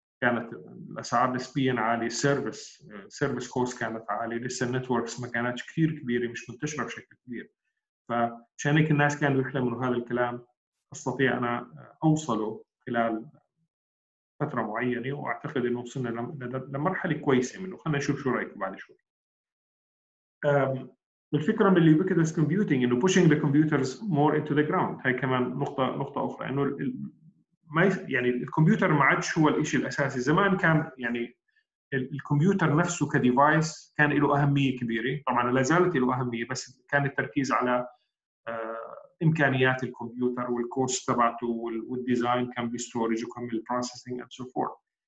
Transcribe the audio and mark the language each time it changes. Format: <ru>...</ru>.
<ar>كانت الأسعار نسبيا عالية، service cost كانت عالية، لسه networks ما كانتش كثير كبيرة، مش منتشرة بشكل كبير. فعشان هيك الناس كانوا يحلموا من هذا الكلام أستطيع أنا أوصله خلال فترة معينة، وأعتقد إنه وصلنا لمرحلة كويسة منه. خلنا نشوف شو رأيكم بعد شوي. الفكرة من اللي</ar> <en>ubiquitous computing</en> <ar>إنه</ar> <en>pushing the computers more into the ground.</en> <ar>هاي كمان نقطة أخرى، إنه ما يعني الكمبيوتر ما عادش هو الإشي الأساسي. زمان كان يعني الكمبيوتر نفسه كديفايس كان له أهمية كبيرة، طبعاً لازالت له أهمية، بس كان التركيز على إمكانيات الكمبيوتر والكوست تبعته والديزاين، كان بستورج وكان بالبروسيسنج</ar> <en>and so forth.</en>